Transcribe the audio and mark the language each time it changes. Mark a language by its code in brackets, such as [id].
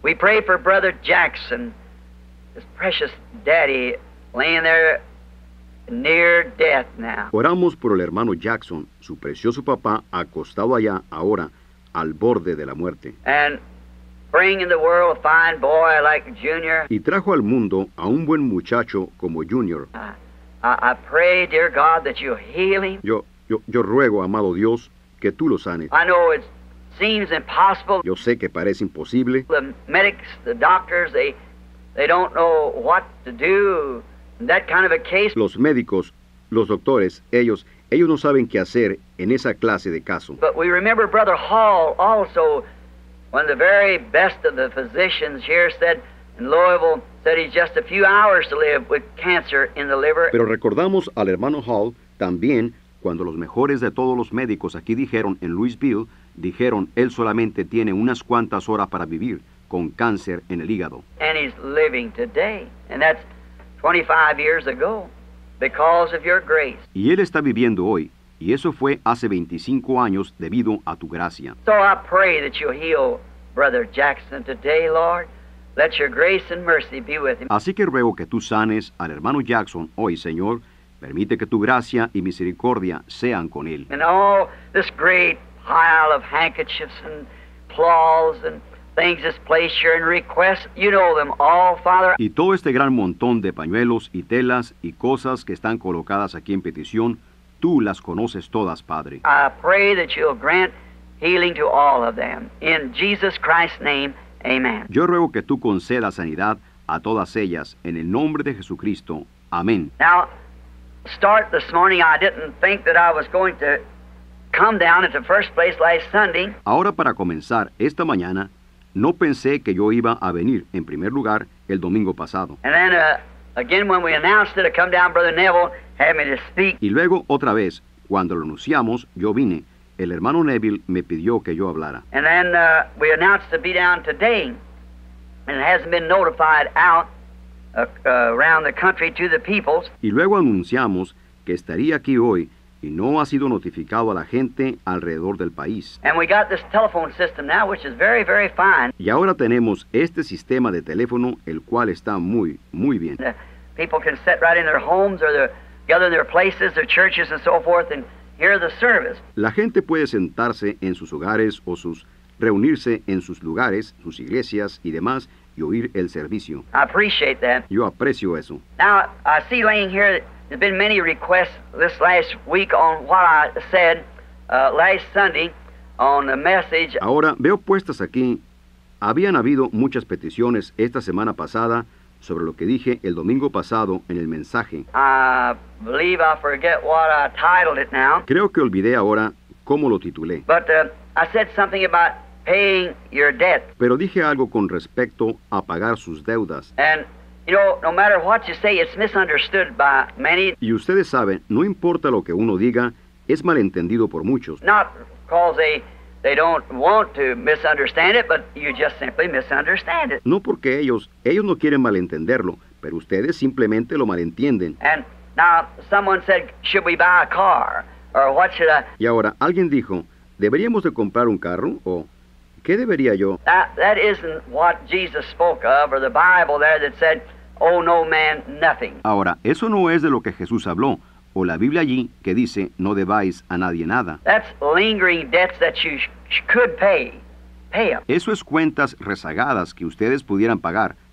[en] We pray for Brother Jackson, his precious daddy, laying there near death now. [es] Oramos por el hermano Jackson, su precioso papá, acostado allá ahora, al borde de la muerte. [en] And bring in the world a fine boy like Junior. [es] Y trajo al mundo a un buen muchacho como Junior. [en] I pray, dear God, that you heal him. [es] Yo ruego, amado Dios, que tú lo sanes. [en] I know it seems impossible. [es] Yo sé que parece imposible. [en] The medics, the doctors, they don't know what to do. That kind of a case. [es] Los médicos, los doctores, ellos no saben qué hacer en esa clase de caso. [en] But we remember Brother Hall also, one of the very best of the physicians here said in Louisville, that he's just a few hours to live with cancer in the liver. [es] Pero recordamos al hermano Hall también cuando los mejores de todos los médicos aquí dijeron en Louisville dijeron, él solamente tiene unas cuantas horas para vivir con cáncer en el hígado. [en] And he's living today, and that's 25 years ago, because of your grace. [es] Y él está viviendo hoy, y eso fue hace 25 años debido a tu gracia. [en] So I pray that you'll heal Brother Jackson today, Lord. Let your grace and mercy be with him. [es] Así que ruego que tú sanes al hermano Jackson hoy, Señor. Permite que tu gracia y misericordia sean con él. [en] And all this great pile of handkerchiefs and cloths and things that's placed here in request, you know them all, Father. [es] Y todo este gran montón de pañuelos y telas y cosas que están colocadas aquí en petición, tú las conoces todas, Padre. [en] I pray that you'll grant healing to all of them. In Jesus Christ's name, amen. [es] Yo ruego que tú concedas sanidad a todas ellas, en el nombre de Jesucristo. Amén. [en] Now, start this morning, I didn't think that I was going to come down at the first place last Sunday. [es] Ahora, para comenzar esta mañana, no pensé que yo iba a venir, en primer lugar, el domingo pasado. [en] And then, again, when we announced it, I come down, Brother Neville had me to speak. [es] Y luego, otra vez, cuando lo anunciamos, yo vine. El hermano Neville me pidió que yo hablara. [en] And then, we announced to be down today, and it hasn't been notified out around the country to the peoples. [es] Y luego anunciamos que estaría aquí hoy, y no ha sido notificado a la gente alrededor del país. [en] And we got this telephone system now, which is very, very fine. [es] Y ahora tenemos este sistema de teléfono, el cual está muy, muy bien. [en] People can sit right in their homes, or gather in their places, their churches, and so forth, and hear the service. [es] La gente puede sentarse en sus hogares, o sus reunirse en sus lugares, sus iglesias, y demás, y oír el servicio. [en] I appreciate that. [es] Yo aprecio eso. [en] Now, I see laying here that there's been many requests this last week on what I said last Sunday on the message. [es] Ahora veo puestas aquí, habían habido muchas peticiones esta semana pasada sobre lo que dije el domingo pasado en el mensaje. [en] I believe I forget what I titled it now. [es] Creo que olvidé ahora cómo lo titulé. [en] But I said something about paying your debt. [es] Pero dije algo con respecto a pagar sus deudas. [en] And you know, no matter what you say, it's misunderstood by many. [es] Y ustedes saben, no importa lo que uno diga, es malentendido por muchos. [en] Not because they don't want to misunderstand it, but you just simply misunderstand it. [es] No porque ellos no quieren malentenderlo, pero ustedes simplemente lo malentienden. [en] And now someone said, should we buy a car? Or what should I? [es] Y ahora alguien dijo, ¿deberíamos de comprar un carro o qué debería yo? [en] That isn't what Jesus spoke of, or the Bible there that said, oh, no man, nothing. [es] Ahora, eso no es de lo que Jesús habló, o la Biblia allí que dice, no debáis a nadie nada. [en] That's lingering debts that you could pay. Pay them. [es] Eso es cuentas rezagadas que ustedes pudieran pagar.